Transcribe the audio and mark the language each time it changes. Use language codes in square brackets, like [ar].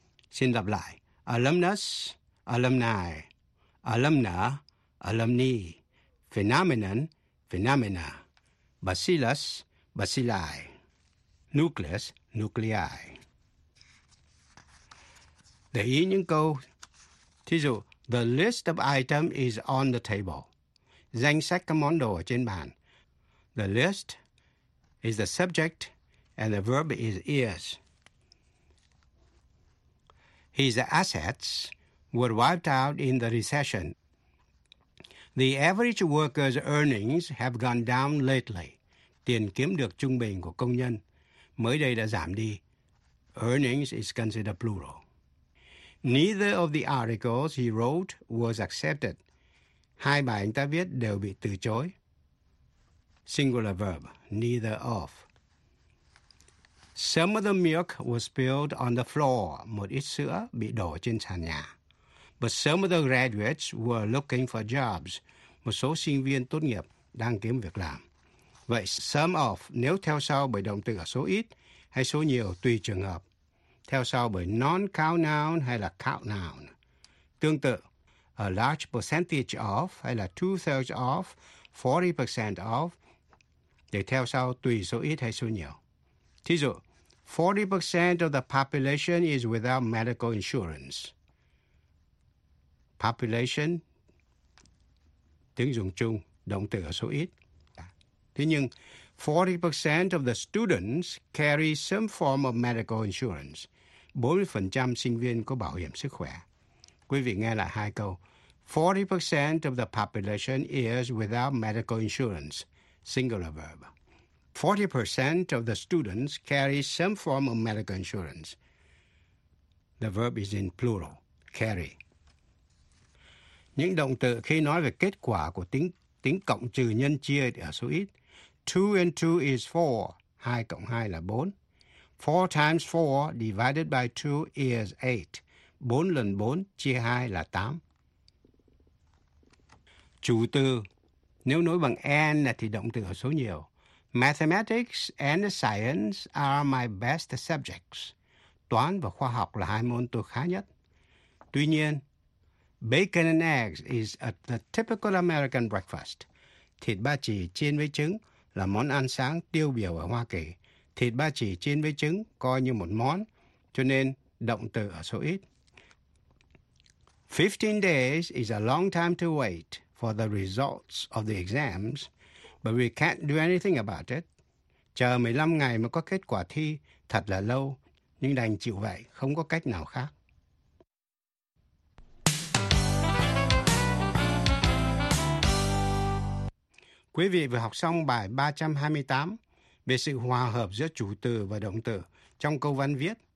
[vi] Xin lặp lại. [en] Alumnus, alumni, alumna, alumni, phenomenon, phenomena, bacillus, bacilli, nucleus, nuclei. [vi] Để ý những câu, thí dụ, [en] the list of items is on the table. [vi] Danh sách các món đồ ở trên bàn. [en] The list is the subject and the verb is is. His assets were wiped out in the recession. The average worker's earnings have gone down lately. [vi] Tiền kiếm được trung bình của công nhân mới đây đã giảm đi. [en] Earnings is considered plural. Neither of the articles he wrote was accepted. [vi] Hai bài anh ta viết đều bị từ chối. [en] Singular verb, neither of. Some of the milk was spilled on the floor. [vi] Một ít sữa bị đổ trên sàn nhà. [en] But some of the graduates were looking for jobs. [vi] Một số sinh viên tốt nghiệp đang kiếm việc làm. Vậy some of, nếu theo sau bởi động từ ở số ít hay số nhiều tùy trường hợp. Theo sau bởi non-count noun hay là count noun. Tương tự, a large percentage of hay là two-thirds of, 40% of, để theo sau tùy số ít hay số nhiều. Thí dụ, [en] 40% of the population is without medical insurance. [vi] Population, tiếng dùng chung, động từ ở số ít. Thế nhưng, [en] 40% of the students carry some form of medical insurance. [vi] 40% sinh viên có bảo hiểm sức khỏe. Quý vị nghe lại hai câu. [en] 40% of the population is without medical insurance. Singular verb. 40% of the students carry some form of medical insurance. The verb is in plural. Carry. [vi] Những động từ khi nói về kết quả của tính cộng trừ nhân chia ở số ít. [en] 2 and 2 is 4. [vi] 2 cộng 2 là 4. [en] 4 times 4 divided by 2 is 8. [vi] 4 lần 4 chia 2 là 8. Chủ từ, nếu nối bằng and thì động từ ở số nhiều. [en] Mathematics and science are my best subjects. [vi] Toán và khoa học là hai môn tôi khá nhất. Tuy nhiên, [en] bacon and eggs is at the typical American breakfast. [vi] Thịt ba chỉ chiên với trứng là món ăn sáng tiêu biểu ở Hoa Kỳ. Thịt ba chỉ chiên với trứng coi như một món, cho nên động từ ở số ít. [en] 15 days is a long time to wait for the results of the exams, but we can't do anything about it. [vi] Chờ 15 ngày mới có kết quả thi, thật là lâu, nhưng đành chịu vậy, không có cách nào khác. Quý vị vừa học xong bài 328 về sự hòa hợp giữa chủ từ và động từ trong câu văn viết.